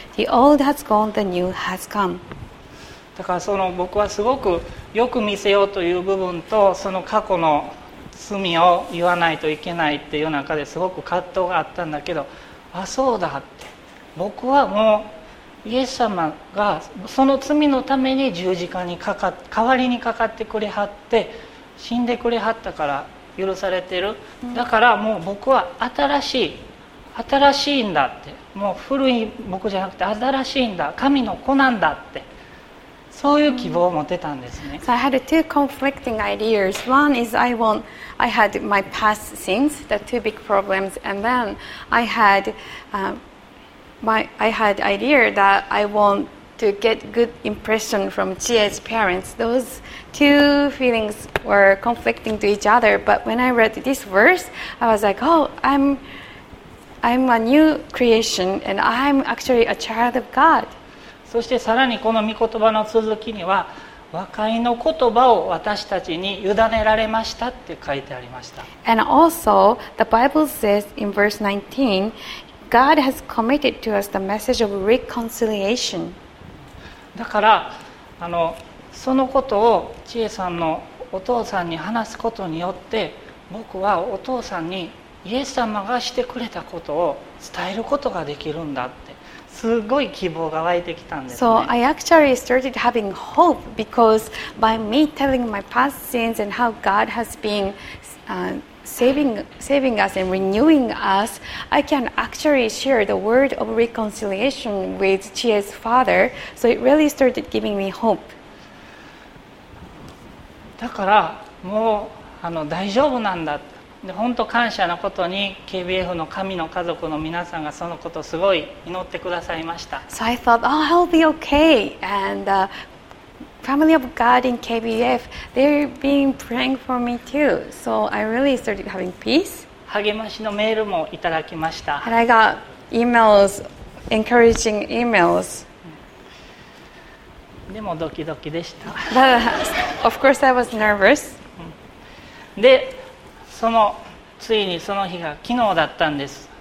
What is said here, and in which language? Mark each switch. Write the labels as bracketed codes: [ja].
[en] The old has gone, the new has come. [ja] だから、その僕はすごくよく見せようという部分と、その過去の罪を言わないといけないっていう中ですごく葛藤があったんだけど、あ、そうだって、僕はもうイエス様がその罪のために十字架にかか代わりにかかってくれはって、死んでくれはったから許されてる、だからもう僕は新しいんだって、もう古い僕じゃなくて新しいんだ、神の子なんだって、そういう希望を持てたんですね。 [en] So I had two conflicting ideas. One is I had my past sins, the two big problems, and then I had idea that I want to get good impression from Chie's parents. Those two feelings were conflicting to each other. But when I read this verse, I was like, oh, I'm a new creation, and I'm actually a child of God. [ja] そしてさらにこの御言葉の続きには、和解の言葉を私たちに委ねられましたって書いてありました。 [en] And also the Bible says in verse 19, God has committed to us the message of reconciliation. [ja] だから、そのことを知恵さんのお父さんに話すことによって、僕はお父さんにイエス様がしてくれたことを伝えることができるんだって、すごい希望が湧いてきたんですね。 [en] So I actually started having hope because by me telling my past sins and how God has been saving us and renewing us, I can actually share the word of reconciliation with Chie's father. So it really started giving me hope. [ja] だからもう大丈夫なんだ。で、本当感謝のことに KBF の神の家族の皆さんがそのことをすごい祈ってくださいました。 [en] So I thought, oh, I'll be okay. And the family of God in KBF, they've been praying for me too. So I really started having peace. [ja] 励ましのメールもいただきました。 [en] And I got emails, encouraging emails. [ja] でもドキドキでした。 [en] But of course I was nervous. [ja] で、そのついにその日が昨日だったんです。